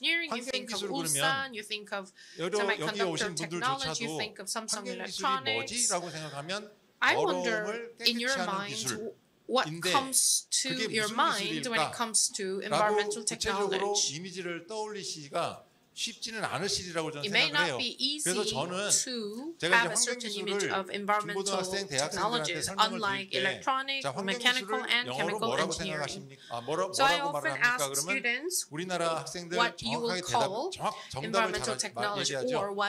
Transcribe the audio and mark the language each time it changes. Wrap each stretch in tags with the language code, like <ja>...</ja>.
<ko>환경 기술 그러면 여기 오신 분들조차도 환경 기술이 뭐지라고 생각하면</ko> <en>I wonder in your mind what comes to your mind when it comes to environmental technology.</en> <ko>이미지를 떠올리시기가 쉽지는 않으시리라고 저는 생각해요. 그래서 저는 제가 이제 환경 기술을 중고등학생, 대학생들한테 설명을 드릴 때, 환경 기술을 영어로 뭐라고 생각하십니까? 뭐라고 말을 합니까? 그러면 우리나라 학생들 정확하게 대답, 정답을 잘 얘기하죠.</ko>